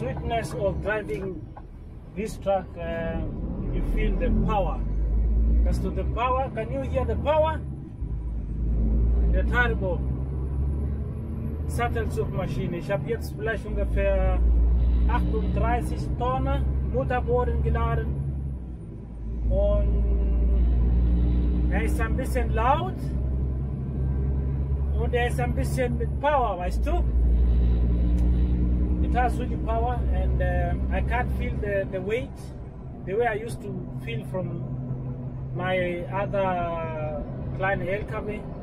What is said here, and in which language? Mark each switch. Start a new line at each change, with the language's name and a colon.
English: And of driving this truck, you feel the power. As to the power, can you hear the power? The turbo Sattelzug machine.
German: Ich habe jetzt vielleicht ungefähr 38 Tonnen Motorboden geladen. Und er ist ein bisschen laut. Und er ist ein bisschen mit Power, weißt du?
English: It has really power, and I can't feel the weight the way I used to feel from my other Klein LKW.